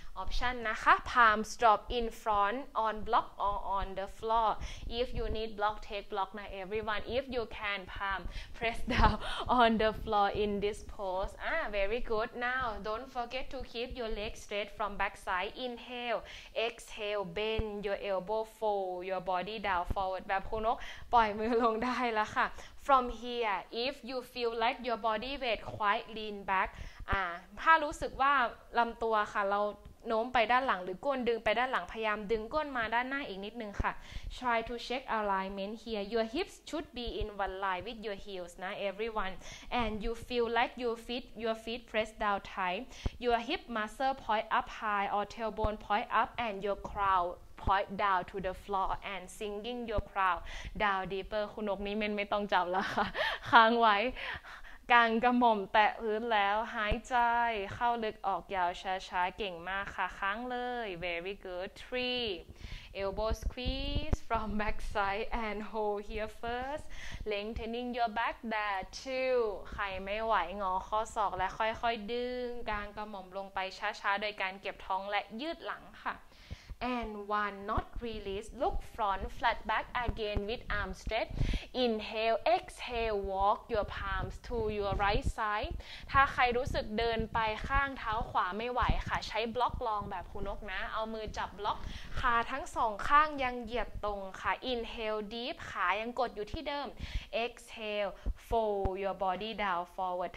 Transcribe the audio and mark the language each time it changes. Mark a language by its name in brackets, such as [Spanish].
[English] Option นะคะ Palms drop in front on block or on the floor. If you need block, take block นะ everyone. If you can, palm press down on the floor in this pose. Very good. Now, don't forget to keep your legs straight from backside. Inhale, exhale, bend your elbow, fold your body down forward. [Thai] แบบคุณนกปล่อยมือลงได้แล้วค่ะ [English] From here, if you feel like your body weight quite lean back, [Thai] ถ้ารู้สึกว่าลำตัวค่ะเราโน้มไปด้านหลังหรือก้นดึงไปด้านหลังพยายามดึงก้นมาด้านหน้าอีกนิดนึงค่ะ [English] Try to check alignment here. Your hips should be in one line with your heels, นะ everyone. And you feel like your feet pressed down tight. Your hip muscle point up high or tailbone point up and your crown point down to the floor and sinking your crown down deeper. [Thai] คุณนกนี้เมนไม่ต้องจับแล้วค่ะค้างไว้กางกระหม่อมแตะพื้นแล้วหายใจเข้าลึกออกยาวช้าๆเก่งมากค่ะค้างเลย [English] very good 3 elbow squeeze from back side and hold here first lengthening your back there [Thai] 2 ใครไม่ไหวงอข้อศอกและค่อยๆดึงกางกระหม่อมลงไปช้าๆโดยการเก็บท้องและยืดหลังค่ะ [English] And one, not release. Look front, flat back again with arm stretch. Inhale, exhale, walk your palms to your right side. [Thai] ถ้าใครรู้สึกเดินไปข้างเท้าขวาไม่ไหวค่ะใช้บล็อกรองแบบคุณนกนะเอามือจับบล็อกขาทั้งสองข้างยังเหยียดตรงค่ะ [English] Inhale, deep. [Thai] ขายังกดอยู่ที่เดิม [English] Exhale, fold your body down forward.